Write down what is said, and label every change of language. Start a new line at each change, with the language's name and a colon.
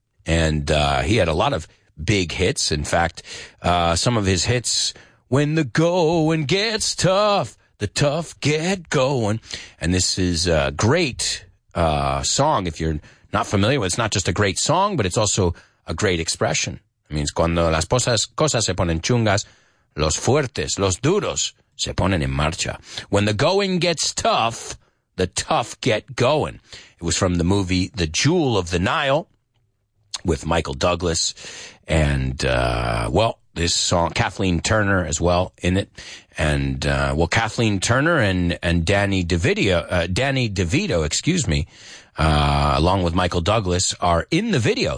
English: And he had a lot of big hits. In fact, some of his hits, "When the Going Gets Tough, the Tough Get Going." And this is a great song. If you're not familiar with it, it's not just a great song, but it's also a great expression. It means
Spanish: cuando las cosas se ponen chungas, los fuertes, los duros, se ponen en marcha.
English: When the going gets tough, the tough get going. It was from the movie The Jewel of the Nile with Michael Douglas. And, this song, Kathleen Turner as well in it. And, Kathleen Turner and Danny DeVito, along with Michael Douglas are in the video.